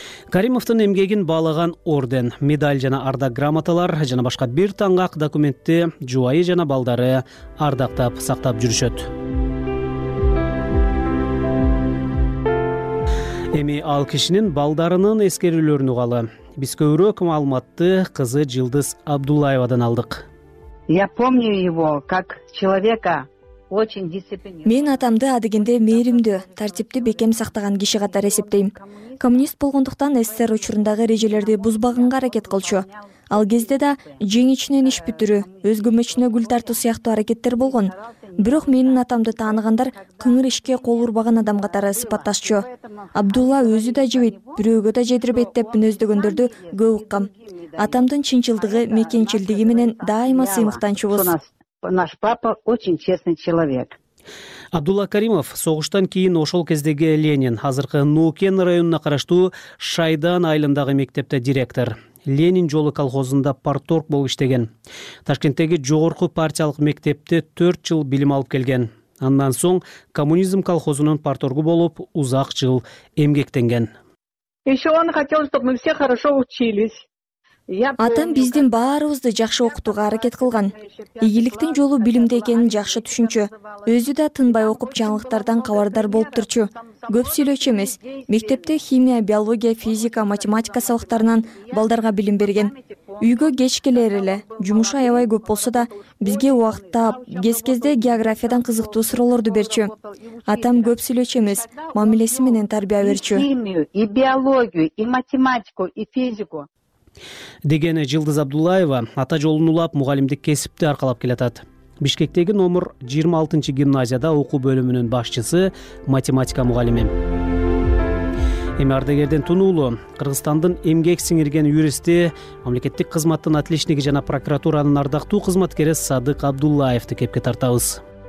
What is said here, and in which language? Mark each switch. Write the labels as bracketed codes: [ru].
[ky] Каримовдун эмгегин баалаган орден, медаль жана ардак грамоталар жана башка бир таңгак документти жубайы жана балдары ардактап сактап жүрүшөт. Эми ал кишинин балдарынын эскерүүлөрүн угалы. Биз көбүрөөк маалыматты кызы Жылдыз Абдуллаевадан алдык. [ru] Я помню его как человека. [ky] Мен атамды адегенде мээримдүү, тартипти бекем сактаган киши катары эсептейм. Коммунист болгондуктан СССР учурундагы эрежелерди бузбаганга аракет кылчу. Ал кезде да жең ичинен иш бүтүрүү, өз көмөчүнө гүл тартуу сыяктуу аракеттер болгон. Бирок менин атамды таанагандар кыңыр ишке кол урбаган адам катары сыпатташчу. Абдулла өзү да жебейт, бирөөгө да жедирбейт деп мүнөздөгөндөрдү көп уккам. Атамдын чынчылдыгы, мекенчилдиги менен дайыма сыймыктанчубуз. [ru] Наш папа очень честный человек. [ky] Абдулла Каримов согуштан кийин ошол кездеги Ленин, азыркы Нукен районуна караштуу Шайдан айылындагы мектепте директор. Ленин жолу колхозунда парторг болуп иштеген. Ташкенттеги жогорку партиялык мектепте 4 жыл билим алып келген. Андан соң коммунизм колхозунун парторгу болуп узак жыл эмгектенген. [ru] Еще он хотел, чтобы мы все хорошо учились. [ky] Атам биздин баарыбызды жакшы окутууга аракет кылган. Ийгиликтин жолу билимде экенин жакшы түшүнчү. Өзү да тынбай окуп жаңылыктардан кабардар болуп турчу. Көп сүйлөчү эмес. Мектепте химия, биология, физика, математика сабактарынан балдарга билим берген. Үйгө кеч келер эле, жумушу аябай көп болсо да, бизге убакыт таап, кез-кезде географиядан кызыктуу суроолорду берчү. Атам көп сүйлөчү эмес, мамилеси менен тарбия берчү. [ru] И биологию, и математику, и физику. [ky] Дегени Жылдыз Абдуллаева ата жолун улап мугалимдик кесипти аркалап келатат. Бишкектеги номер 26 гимназияда окуу бөлүмүнүн башчысы, математика мугалими. Эми ардагерден тунуулу Кыргызстандын эмгек сиңирген юристи, мамлекеттик кызматтын отличниги жана прокуратуранын ардактуу кызматкери Садык Абдуллаевди кепке тартабыз.